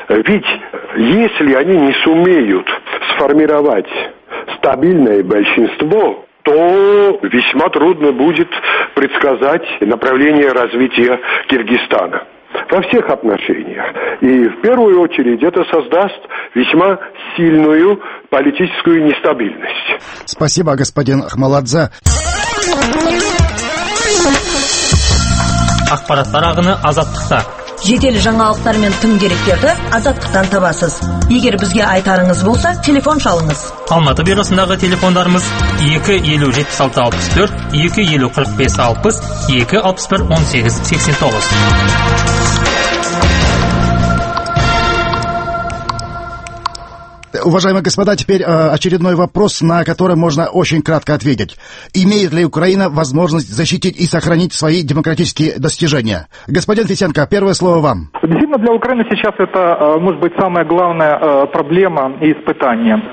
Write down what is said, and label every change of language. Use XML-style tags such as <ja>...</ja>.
<ru>Ведь если они не сумеют сформировать стабильное большинство, то весьма трудно будет предсказать направление развития Кыргызстана. Во всех отношениях. И в первую очередь это создаст весьма сильную политическую нестабильность. Спасибо, господин Ахмаладзе.</ru> <kk>Ақпараттар ағыны азаттықта. Жедел жаңалықтар мен тың деректерді азаттықтан табасыз. Егер бізге айтарыңыз болса, телефон шалыңыз. Алматы бюросындағы телефондарымыз 257664, 254560, 261889.</kk> <ru>Уважаемые господа, теперь очередной вопрос, на который можно очень кратко ответить. Имеет ли Украина возможность защитить и сохранить свои демократические достижения? Господин Фисенко, первое слово вам. Действительно, для Украины сейчас это, может быть, самая главная проблема и испытание.</ru>